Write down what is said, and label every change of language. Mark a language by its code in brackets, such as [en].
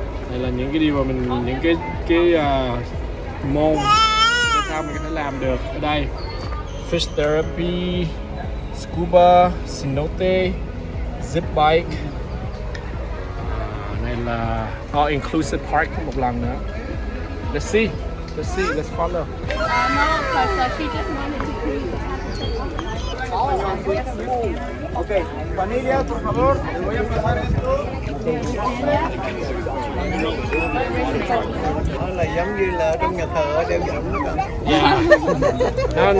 [vi] Đây là những cái điều mà mình, những cái môn cái sao mình có thể làm được ở đây. [en] Fish therapy, scuba, cenote, zip bike. [vi] Đây là all inclusive park một lần nữa. [en] Let's see, let's follow. No, because she just wanted to pee. [es] Okay, familia, por favor, le voy a pasar esto. [vi] Nó là giống như là trong nhà thờ ở đây giống luôn.